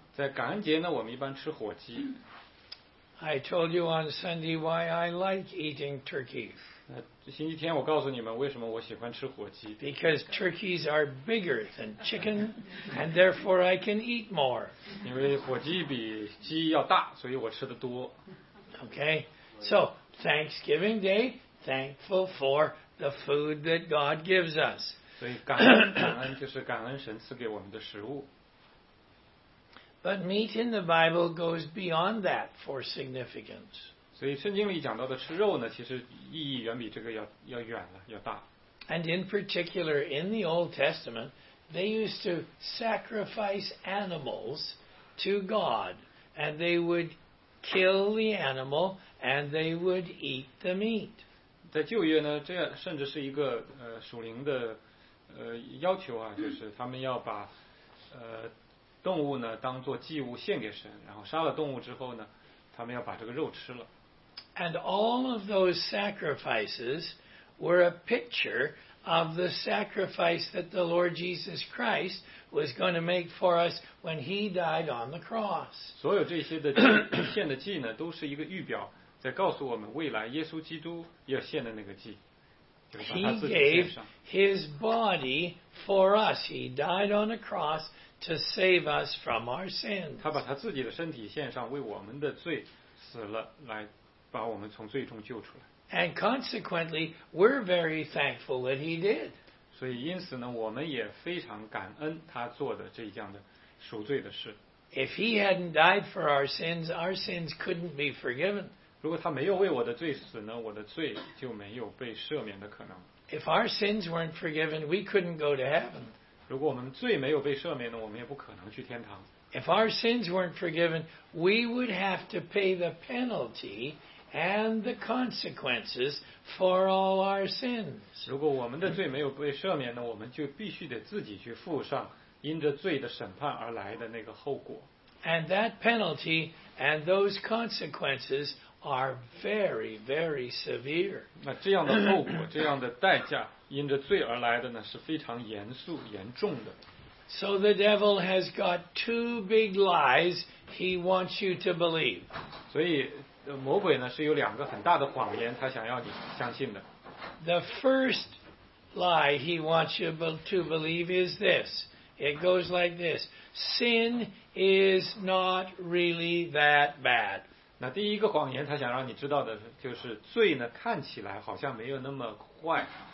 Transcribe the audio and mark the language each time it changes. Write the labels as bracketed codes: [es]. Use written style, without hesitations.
[zh] 在感恩节呢，我们一般吃火鸡。 [en] I told you on Sunday why I like eating turkey. [zh] 星期天我告诉你们为什么我喜欢吃火鸡。 [en] Because turkeys are bigger than chicken, and therefore I can eat more. [zh] 因为火鸡比鸡要大，所以我吃的多。 [en] Okay, so Thanksgiving Day, thankful for the food that God gives us. [zh] 所以感恩就是感恩神赐给我们的食物。 [en] But meat in the Bible goes beyond that for significance. [zh] 所以圣经里讲到的吃肉呢，其实意义远比这个要远了，要大。 [en] And in particular, in the Old Testament, they used to sacrifice animals to God, and they would kill the animal and they would eat the meat. [zh] 在旧约呢，这样甚至是一个属灵的要求啊，就是他们要把动物呢当做祭物献给神，然后杀了动物之后呢，他们要把这个肉吃了。 [en] And all of those sacrifices were a picture of the sacrifice that the Lord Jesus Christ was going to make for us when He died on the cross. [zh] 所有这些的献的祭呢，都是一个预表，在告诉我们未来耶稣基督要献的那个祭。 [en] He gave His body for us. He died on the cross to save us from our sins. [zh] 他把他自己的身体献上，为我们的罪死了，来把我们从罪中救出来。 [en] And consequently, we're very thankful that He did. [zh] 所以因此呢，我们也非常感恩他做的这样的赎罪的事。 [en] If He hadn't died for our sins couldn't be forgiven. [zh] 如果他没有为我的罪死呢，我的罪就没有被赦免的可能。 [en] If our sins weren't forgiven, we couldn't go to heaven. [zh] 如果我们罪没有被赦免呢，我们也不可能去天堂。 [en] If our sins weren't forgiven, we would have to pay the penalty. And the consequences for all our sins. [zh] 如果我们的罪没有被赦免呢，我们就必须得自己去付上因着罪的审判而来的那个后果。 [en] And that penalty and those consequences are very, very severe. [zh] 那这样的后果，这样的代价，因着罪而来的呢，是非常严肃、严重的。 [en] So the devil has got two big lies he wants you to believe. [zh] 所以魔鬼呢是有两个很大的谎言，他想要你相信的。 [en] The first lie he wants you to believe is this. It goes like this: Sin is not really that bad. [zh] 那第一个谎言他想让你知道的就是罪呢看起来好像没有那么坏。